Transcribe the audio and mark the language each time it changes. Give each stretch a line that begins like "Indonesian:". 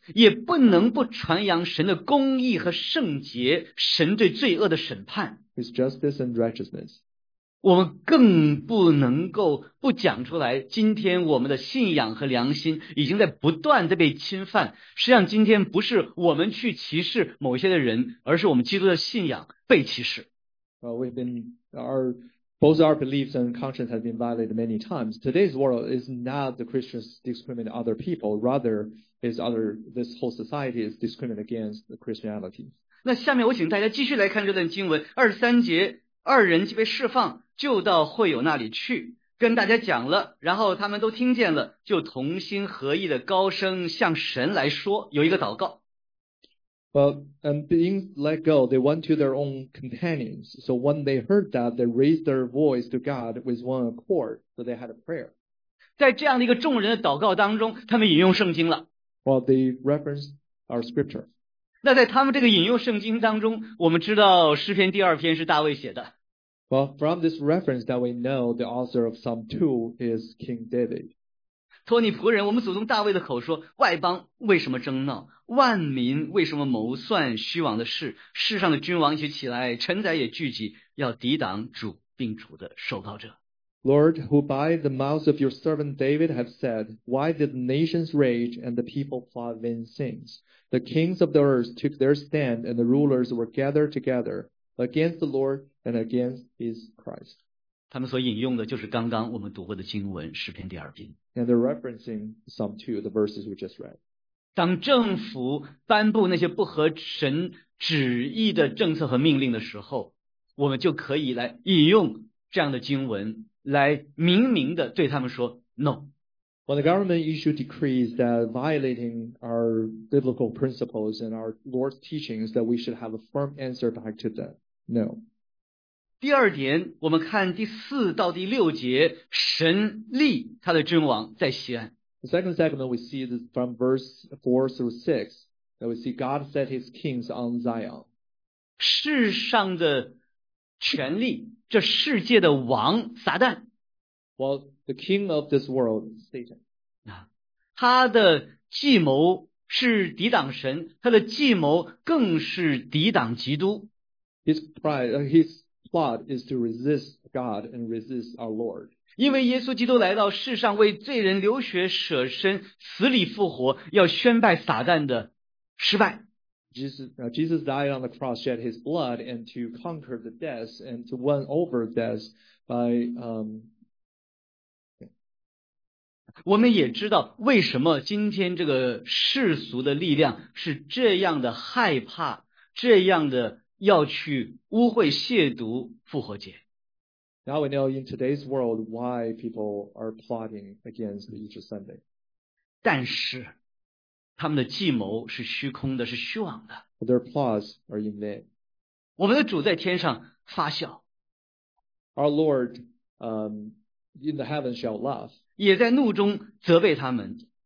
Chinese: 也不能不传扬神的公义和圣洁，神对罪恶的审判。
English: His justice and righteousness.
Chinese: 我们更不能够不讲出来，今天我们的信仰和良心已经在不断的被侵犯。实际上今天不是我们去歧视某些的人，而是我们基督的信仰被歧视。
English: Well, we've been, both our beliefs and conscience have been violated many times. Today's world is not the Christians discriminate other people, rather is other, this whole society is discriminate against the Christianity.
Chinese: 那下面我请大家继续来看这段经文，23节，二人即被释放，就到会友那里去，跟大家讲了，然后他们都听见了，就同心合意的高声向神来说，有一个祷告。
English: But, and being let go, they went to their own companions. So when they heard that, they raised their voice to God with one accord. So they had a prayer.
Chinese: 在这样的一个众人的祷告当中，他们引用圣经了。
English: Well, they referenced our scripture.
Chinese: 那在他们这个引用圣经当中，我们知道诗篇第二篇是大卫写的。
English: Well, from this reference that we know, the author of Psalm 2 is King David.
Chinese: 托你仆人我们祖宗大卫的口说外邦为什么争闹万民为什么谋算虚妄的事世上的君王一起起来臣宰也聚集要抵挡主并主的受膏者。
English: Lord, who by the mouth of your servant David have said, why did the nations rage and the people plot vain things? The kings of the earth took their stand and the rulers were gathered together against the Lord and against his Christ.
Chinese: 他们所引用的就是刚刚我们读过的经文诗篇第二篇。
English: And they're referencing Psalm 2, the verses we just read.
Chinese: 当政府颁布那些不合神旨意的政策和命令的时候，我们就可以来引用这样的经文来明明的对他们说 No.
English: When the government issued decrees that violating our biblical principles and our Lord's teachings that we should have a firm answer back to them, No.
Chinese: 第二点我们看第四到第六节神立他的君王在锡安。
English: The second segment we see is from verse 4 through 6, that we see God set his kings on Zion.
Chinese: 世上的权力这世界的王撒旦。
English: Well, the king of this world is Satan.
Chinese: 他的计谋是抵挡神他的计谋更是抵挡基督。
English: His pride, his,plot is to resist God and resist our Lord.
Chinese: 因为耶稣基督来到世上为罪人流血舍身死里复活要宣败撒旦的失败。
English: Jesus died on the cross, shed his blood, and to conquer the death and to win over death by, Okay.
Chinese: 我们也知道为什么今天这个世俗的力量是这样的害怕这样的要去污秽亵渎复活节。
English: Now we know in today's world why people are plotting against Easter Sunday.
Chinese: 但是他们的计谋是虚空的是虚妄的。
English: But their plots are in vain.
Chinese: 我们的主在天上发笑。
English: Our Lord, in the heavens shall laugh.
Chinese: 也在怒中责备他们。